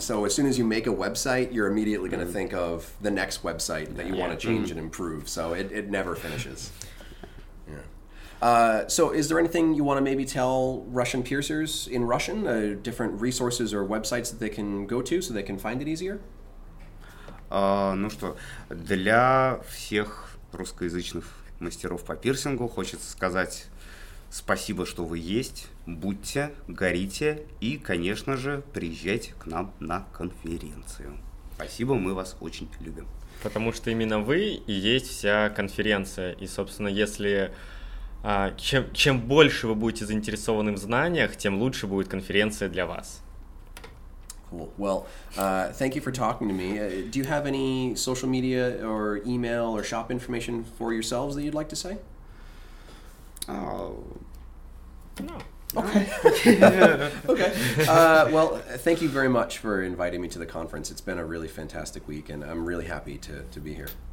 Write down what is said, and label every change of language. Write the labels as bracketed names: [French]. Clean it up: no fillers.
[English] So as soon as you make a website, you're immediately going to think of the next website that you want to change and improve. So it never finishes. So is there anything you want to maybe tell Russian piercers in Russian, different resources or websites that they can go to so they can find it easier? [Russian] Ну что, для всех русскоязычных мастеров по пирсингу хочется сказать спасибо, что вы есть, будьте, горите и, конечно же, приезжайте к нам на конференцию. Спасибо, мы вас очень любим. Потому что именно вы и есть вся конференция. И, собственно, если чем больше вы будете заинтересованы в знаниях, тем лучше будет конференция для вас. [English] Cool. Well, thank you for talking to me. Do you have any social media or email or shop information for yourselves that you'd like to say? No. Okay. Okay. Well, thank you very much for inviting me to the conference. It's been a really fantastic week, and I'm really happy to be here.